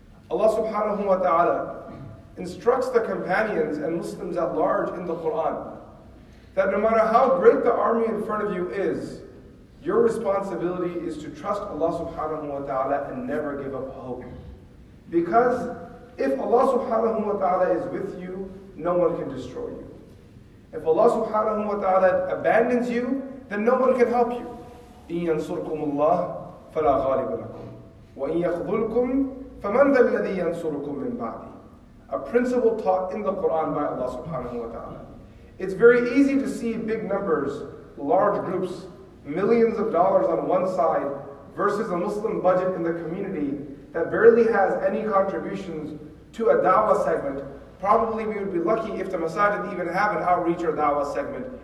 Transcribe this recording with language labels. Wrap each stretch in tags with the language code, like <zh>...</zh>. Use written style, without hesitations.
<en>Allah subhanahu wa ta'ala instructs the companions and Muslims at large in the Quran that no matter how great the army in front of you is, your responsibility is to trust Allah subhanahu wa ta'ala and never give up hope. Because if Allah subhanahu wa ta'ala is with you, no one can destroy you. If Allah subhanahu wa ta'ala abandons you, then no one can help you.</en> <ar>إِن يَنْصُرْكُمُ اللَّهِ فَلَا غَالِبَ لَكُمْ وَإِن يَخْذُلْكُمْ فَمَنْ ذَا الَّذِي يَنْصُرُكُمْ مِنْ بَعْدِ</ar> <en>A principle taught in the Quran by Allah subhanahu wa ta'ala. It's very easy to see big numbers, large groups, millions of dollars on one side versus a Muslim budget in the community that barely has any contributions to a da'wah segment. Probably we would be lucky if the masajid even have an outreach or da'wah segment.</en>